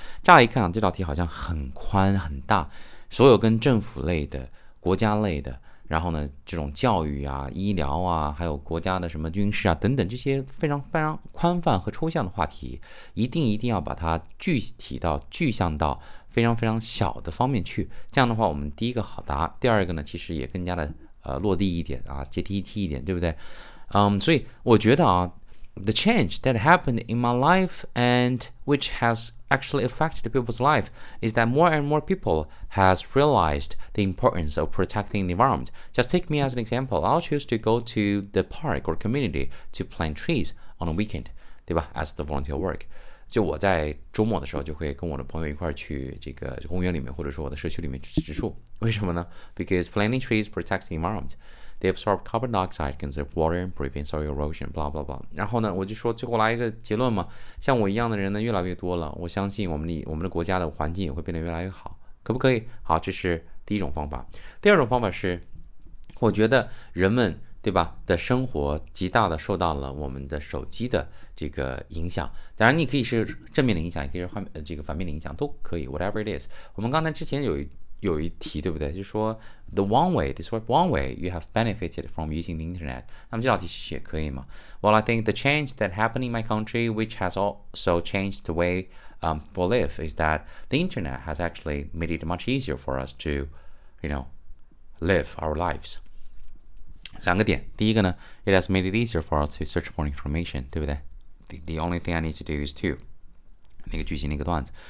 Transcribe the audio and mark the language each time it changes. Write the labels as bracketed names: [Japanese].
[Chinese] 乍一看、这道题好像很宽很大，所有跟政府类的、国家类的，然后呢这种教育啊、医疗啊，还有国家的什么军事啊等等，这些非常非常宽泛和抽象的话题，一定要把它具体到、具象到非常非常小的方面去。这样的话我们第一个好答，第二个呢其实也更加的落地一点啊，接地气一点，对不对？所以我觉得啊 [English] the change that happened in my life and which has actually affected people's life is that more and more people has realized the importance of protecting the environment. Just take me as an example. I'll choose to go to the park or community to plant trees on a weekend, [Chinese] 对吧？ [English] As the volunteer work. [Chinese] 就我在周末的时候就会跟我的朋友一块去这个公园里面，或者说我的社区里面去植树。为什么呢？ [English] Because planting trees protects the environment. They absorb carbon dioxide, conserve water, and prevent soil erosion, blah, blah, blah. [Chinese] 然后呢我就说最后来一个结论嘛，像我一样的人呢越来越多了，我相信我们的国家的环境也会变得越来越好，可不可以？好，这是第一种方法。第二种方法是我觉得人们对吧的生活极大的受到了我们的手机的这个影响。当然你可以是正面的影响，也可以是这个反面的影响，都可以 [English] whatever it is。 [Chinese] 我们刚才之前有一题对不对，就是说 [English] the one way, describe one way you have benefited from using the internet。 [Chinese] 那么这道题其实也可以吗？ [English] Well, I think the change that happened in my country which has also changed the way we live is that the internet has actually made it much easier for us to, you know, live our lives。 [Chinese] 两个点，第一个呢 [English] ，it has made it easier for us to search for information， [Chinese] 对不对 [English] ？The only thing I need to do is to [Chinese] 那个句型那个段子。